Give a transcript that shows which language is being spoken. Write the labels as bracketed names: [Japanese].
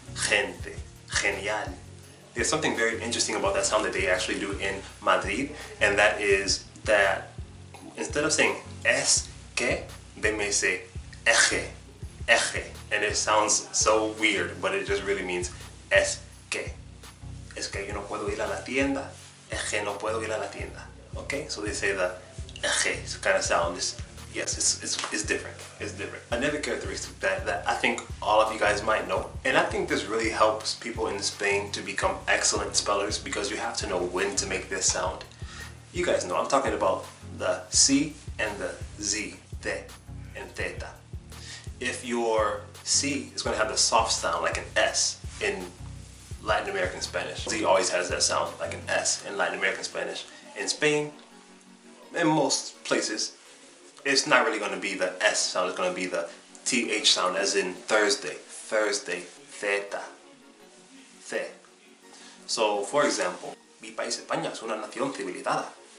[Spanish] Gente, genial. [English] There's something very interesting about that sound that they actually do in Madrid, and that is that instead of saying es que, they may say eje, eje. And it sounds so weird, but it just really means es que. [Spanish] Es que yo no puedo ir a la tienda. Eje, no puedo ir a la tienda. [English] Okay, so they say the eje kind of sound. It's different. Another characteristic that I think all of you guys might know, and I think this really helps people in Spain to become excellent spellers, because you have to know when to make this sound. You guys know, I'm talking about the C and the Z, te and theta. If your C is going to have the soft sound like an S in Latin American Spanish, Z always has that sound like an S in Latin American Spanish. In Spain, in most places, it's not really going to be the S sound, it's going to be the TH sound, as in Thursday. Thursday, theta, the. So, for example, [Spanish] mi país España es una nación civilizada.